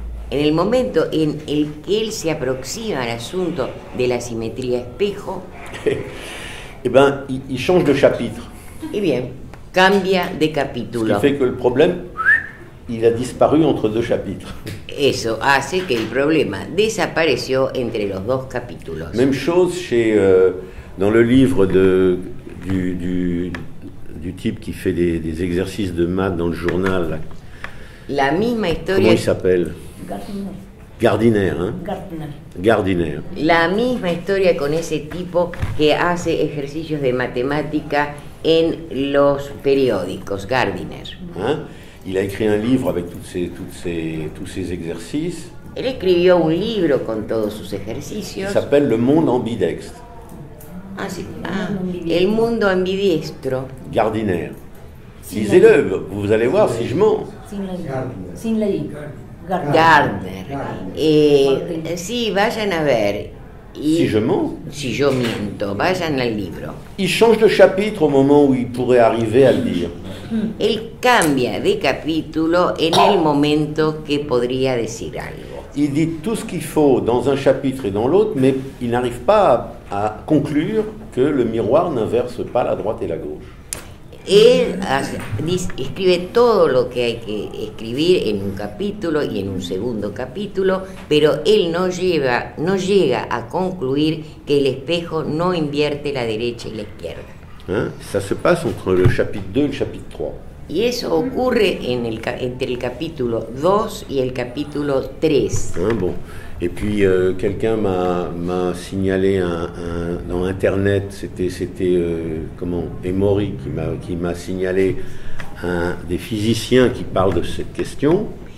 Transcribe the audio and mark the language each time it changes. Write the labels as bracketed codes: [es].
[es] en el momento en el que él se aproxima al asunto de la simetría espejo, [fr] il change de chapitre. [es] Y bien, cambia de capítulo. [fr] Ce qui fait que le problème, il a disparu entre deux chapitres. [es] Eso hace que el problema desapareció entre los dos capítulos. [fr] Même chose chez dans le livre du type qui fait des exercices de maths dans le journal. [es] La misma historia. [fr] Comment il s'appelle? Gardiner. Gardiner. [es] La misma historia con ese tipo que hace ejercicios de matemática en los periódicos. Gardiner. [fr] Il a écrit un livre avec tous ces exercices. [es] Él escribió un libro con todos sus ejercicios. [fr] Il s'appelle Le Monde ambidextre. [es] Ah, sí. El Mundo ambidiestro. Gardiner. [fr] Lisez-le, vous allez voir si je mens. [es] Sin la I. Gardiner. Sí, vayan a ver. Si yo miento, vayan al libro. [fr] Il change de chapitre au moment où il pourrait arriver à le dire. [es] Él cambia de capítulo en el momento que podría decir algo. [fr] Il dit tout ce qu'il faut dans un chapitre et dans l'autre, mais il n'arrive pas à conclure que le miroir n'inverse pas la droite et la gauche. [es] Él escribe todo lo que hay que escribir en un capítulo y en un segundo capítulo, pero él no llega a concluir que el espejo no invierte la derecha y la izquierda. [fr] Ça se passe entre le chapitre 2 et le chapitre 3. [es] Y eso ocurre entre el capítulo 2 y el capítulo 3. [fr] Bon. Et puis quelqu'un m'a signalé dans internet, c'était comment Emory qui m'a signalé des physiciens qui parlent de cette question.